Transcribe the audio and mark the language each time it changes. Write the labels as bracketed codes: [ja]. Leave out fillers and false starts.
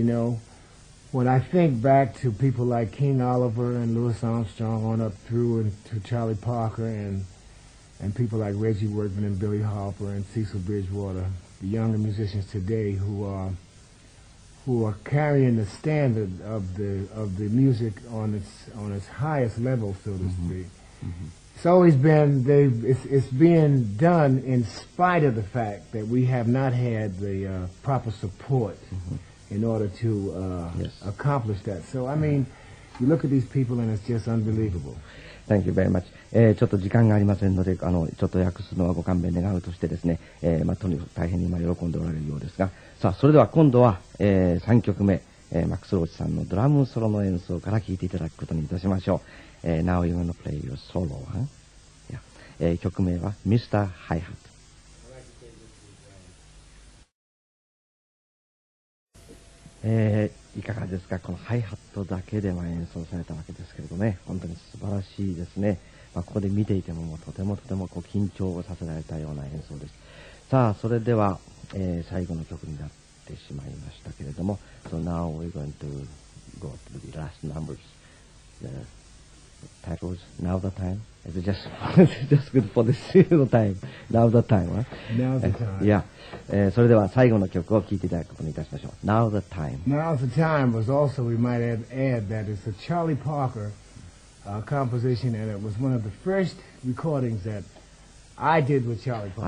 [en] You know, when I think back to people like King Oliver and Louis Armstrong on up through and to Charlie Parker and people like Reggie Workman and Billy Harper and Cecil Bridgewater, the younger musicians today who are carrying the standard of the music on its highest level, so to speak. It's always been it's being done in spite of the fact that we have not had the proper support in order to accomplish that. So I mean, you look at these people and it's just unbelievable. Thank you very much. [ja] ちょっと時間がありませんので、ちょっと訳すのはご勘弁願うとしてですね、とにかく大変に今喜んでおられるようですが、さあそれでは今度は、3曲目、マックス・ローチさんのドラムソロの演奏から聴いていただくことにいたしましょう。 [en] Now you're gonna play your solo, huh? Yeah. [ja] 曲名は Mr. Hi-Hat。いかがですか、このハイハットだけで演奏されたわけですけれどね、本当に素晴らしいですね。まあ、ここで見ていて もうとてもとてもこう緊張をさせられたような演奏です。さあそれでは、最後の曲になってしまいましたけれども、 [en] So now we're going to go to the last numbers, the tackles now the time? Is it just good for this the time? Now the time, huh? Now the time. Yeah. [ja] それでは最後の曲を聴いていただくことにいたしましょう。 [en] Now the time. Now the time was also, we might add that it's a Charlie Parker、composition, and it was one of the first recordings that I did with Charlie Parker.